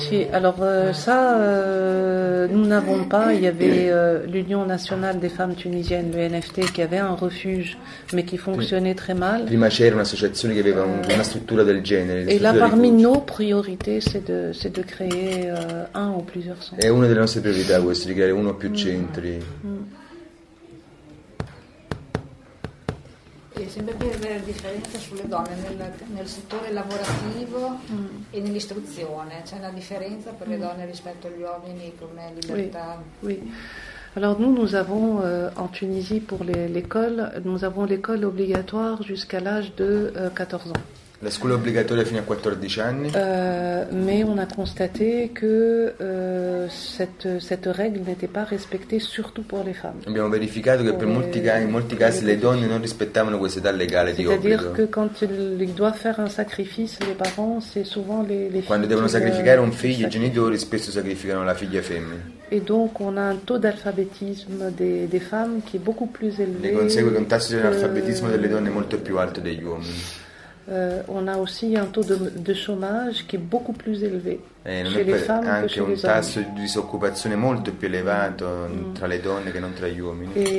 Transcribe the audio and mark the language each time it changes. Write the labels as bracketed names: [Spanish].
[Italian] Sì, allora [French] ça nous n'avons pas, il y avait l'Union nationale des femmes tunisiennes, l'UNFT, qui avait un refuge mais qui fonctionnait très mal. [Italian] Prima c'era un'associazione che aveva una struttura del genere. [French] Et là parmi nos priorités, c'est de créer un ou plusieurs centres. [Italian] È una delle nostre priorità questo, di creare uno o più centri. E sempre per vedere la differenza sulle donne nel settore lavorativo e nell'istruzione, c'è una differenza per le donne rispetto agli uomini come libertà? [French] Oui. Alors nous avons en Tunisie pour l'école, nous avons l'école obligatoire jusqu'à l'âge de 14 ans. [Italian] La scuola obbligatoria fino a 14 anni. [French] Mais on a constaté que cette règle n'était pas respectée surtout pour les femmes. [Italian] Abbiamo verificato che in molti casi le donne non rispettavano questa età legale di obbligo. [French] C'est-à-dire que quand ils doivent faire un sacrifice, les parents, c'est souvent les filles. [Italian] Quando devono sacrificare un figlio, i genitori spesso sacrificano la figlia femmina. [French] Et donc on a un taux d'alphabétisme des femmes qui est beaucoup plus élevé. [Italian] Ne consegue che un tasso di analfabetismo delle donne è molto più alto degli uomini. [French] On a aussi un taux de chômage qui est beaucoup plus élevé chez les femmes que chez les hommes. [Italian] Un tasso di disoccupazione molto più elevato tra le donne che non tra gli uomini.